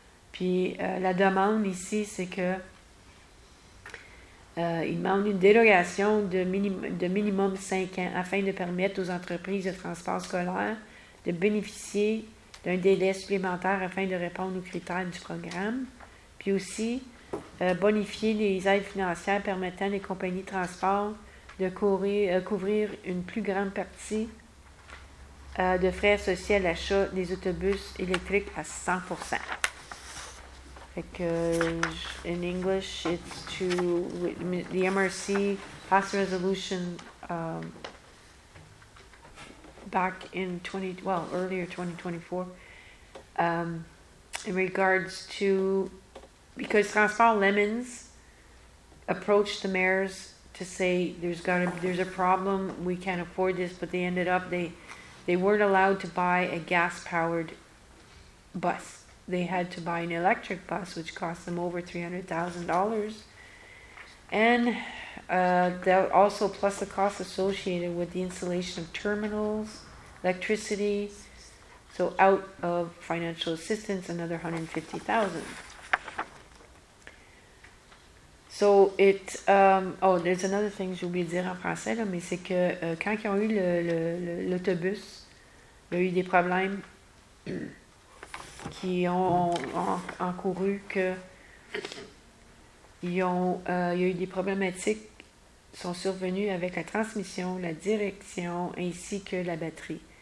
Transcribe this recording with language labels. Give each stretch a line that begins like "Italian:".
French: Puis la demande ici, c'est que il demande une dérogation de minimum 5 ans afin de permettre aux entreprises de transport scolaire de bénéficier d'un délai supplémentaire afin de répondre aux critères du programme, puis aussi bonifier les aides financières permettant les compagnies de transport de couvrir une plus grande partie de frais associés à l'achat des autobus électriques à 100%. Fait que,
English: in English, it's to, the MRC passed a resolution back in earlier 2024, in regards to, because Transport Lemons approached the mayors to say there's a problem, we can't afford this, but they ended up, they weren't allowed to buy a gas-powered bus. they had to buy an electric bus, which cost them over $300,000. And that also, plus the cost associated with the installation of terminals, electricity, so out of financial assistance, another $150,000. So it, oh, there's another thing,
French: j'ai oublié de dire en français, là, mais c'est que quand ils ont eu l'autobus, il y a eu des problèmes qui ont encouru que il y a eu des problématiques qui sont survenues avec la transmission, la direction ainsi que la batterie.